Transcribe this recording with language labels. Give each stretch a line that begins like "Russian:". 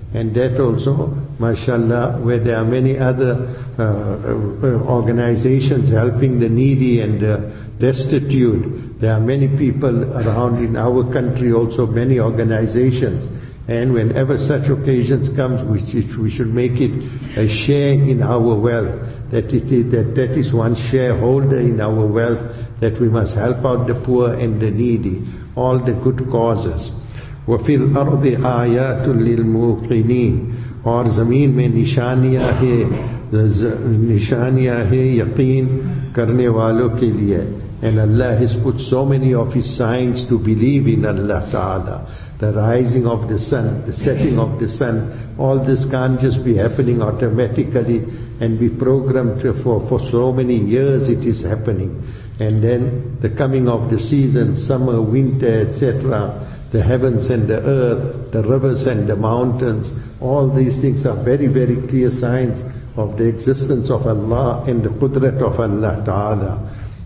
English: And that also, mashallah, where there are many other organizations helping the needy and the destitute, there are many people around in our country also, many organizations. And whenever such occasions come, we should make it a share in our wealth. That is one shareholder in our wealth, that we must help out the poor and the needy, all the good causes.
Arabic: وَفِي الْأَرْضِ آيَاتٌ لِلْمُوْقِنِينَ
Urdu: اور زمین میں نشانیاں ہیں یقین کرنے والوں کے لیے.
English: And Allah has put so many of His signs to believe in Allah Ta'ala. The rising of the sun, the setting of the sun, all this can't just be happening automatically and be programmed for so many years it is happening. And then the coming of the season, summer, winter, etc., the heavens and the earth, the rivers and the mountains, all these things are very, very clear signs of the existence of Allah and the Qudrat of Allah Ta'ala.